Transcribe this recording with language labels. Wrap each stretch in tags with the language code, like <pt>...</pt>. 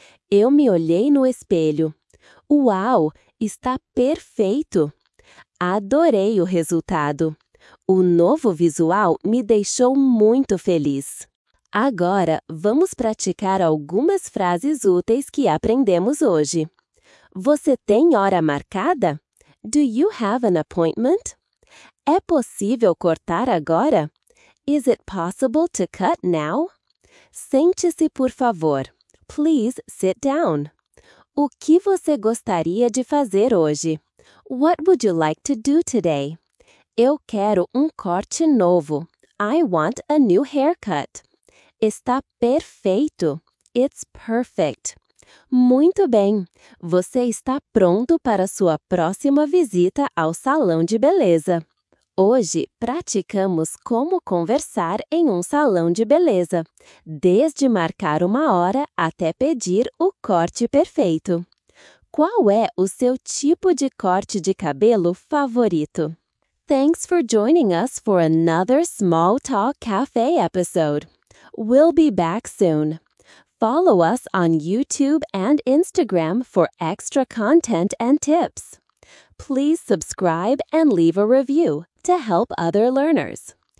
<pt>Eu me olhei no espelho. Uau! Está perfeito! Adorei o resultado. O novo visual me deixou muito feliz. Agora, vamos praticar algumas frases úteis que aprendemos hoje. Você tem hora marcada?</pt> <en>Do you have an appointment?</en> <pt>É possível cortar agora?</pt> <en>Is it possible to cut now?</en> <pt>Sente-se, por favor.</pt> <en>Please sit down.</en> <pt>O que você gostaria de fazer hoje?</pt> <en>What would you like to do today?</en> <pt>Eu quero corte novo.</pt> <en>I want a new haircut.</en> <pt>Está perfeito.</pt> <en>It's perfect.</en> <pt>Muito bem. Você está pronto para sua próxima visita ao salão de beleza. Hoje, praticamos como conversar em salão de beleza, desde marcar uma hora até pedir o corte perfeito. Qual é o seu tipo de corte de cabelo favorito?</pt> <en>Thanks for joining us for another Small Talk Cafe episode. We'll be back soon. Follow us on YouTube and Instagram for extra content and tips. Please subscribe and leave a review to help other learners.</en>